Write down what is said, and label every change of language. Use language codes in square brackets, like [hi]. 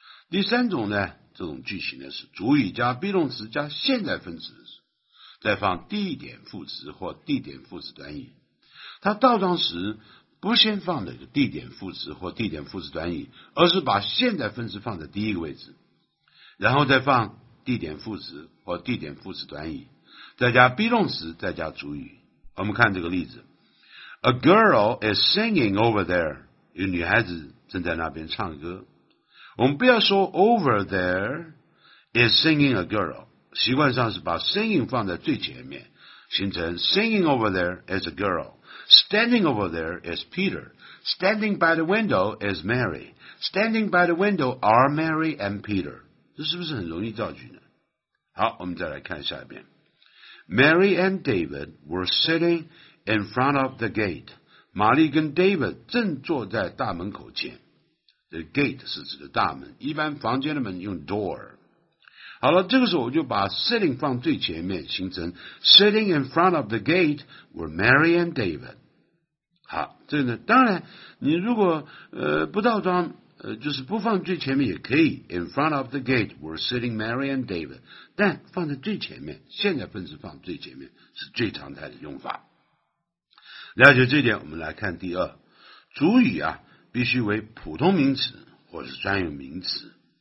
[zh] 第三种呢，这种句型呢是主语加 be 动词加现在分词，再放地点副词或地点副词短语，它倒装时不先放那个地点副词或地点副词短语，而是把现在分词放在第一个位置，然后再放地点副词或地点副词短语，再加 be 动词，再加主语。我们看这个例子， [en] A girl is singing over there， [zh] 有女孩子正在那边唱歌。我们不要说 [en] over there is singing a girl， [zh] 习惯上是把 [en] singing [zh] 放在最前面，形成 [en] singing over there is a girl， Standing over there is Peter. Standing by the window is Mary. Standing by the window are Mary and Peter. [zh] 这是不是很容易造句呢？好，我们再来看下一遍。 [en] Mary and David were sitting in front of the gate. [zh] 玛丽跟 David 正坐在大门口前。The gate 是指的大门，一般房间的门用 door。好了，这个时候我就把 [en] sitting [zh] 放最前面，形成 [en] sitting in front of the gate were Mary and David。 [zh] 好，这个呢，当然你如果不倒装，就是不放最前面也可以。 [en] In front of the gate were sitting Mary and David， [zh] 但放在最前面，现在分词放最前面是最常态的用法。了解这点，我们来看第二，主语啊必须为普通名词或是专有名词。